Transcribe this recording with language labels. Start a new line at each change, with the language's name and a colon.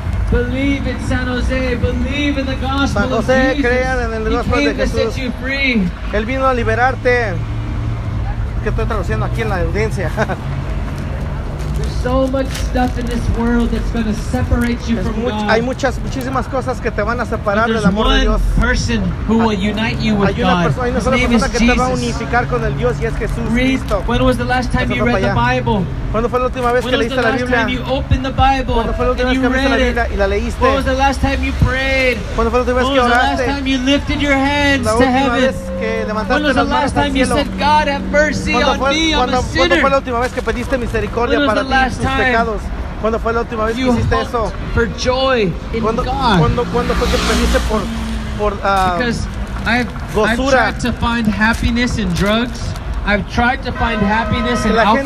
English: Believe in San Jose, believe in the gospel. San Jose, of Jesus.
Spanish: Crean en el gospel
English: he
Spanish: de Jesús.
English: Set you free.
Spanish: Él vino a liberarte. Que estoy traduciendo aquí en la audiencia.
English: There's so much stuff in this world that's going to separate you from God.
Spanish: Hay muchas muchísimas cosas que te van a separar del amor
English: one
Spanish: de Dios.
English: Person who will unite you with
Spanish: hay una persona, Hay una sola persona que te va a unificar con el Dios y es Jesús Cristo.
English: When was the last time you read the Bible?
Spanish: ¿Cuándo fue la última vez que leíste la Biblia?
English: When was the last time you opened the Bible?
Spanish: ¿Cuándo fue la última vez que abriste la Biblia y la leíste?
English: When was the last time you prayed?
Spanish: ¿Cuándo fue la última vez que oraste?
English: When was the last time you lifted your hands to heaven?
Spanish: ¿Cuándo fue la
English: last time you said God have mercy on me, I'm a sinner?
Spanish: ¿Cuándo fue la última vez que pediste misericordia para mis pecados? ¿Cuándo fue la última vez que hiciste eso?
English: For joy in God.
Spanish: ¿Cuándo fue que pediste por gozura?
English: I've tried to find happiness in drugs. I've tried to find happiness in alcohol.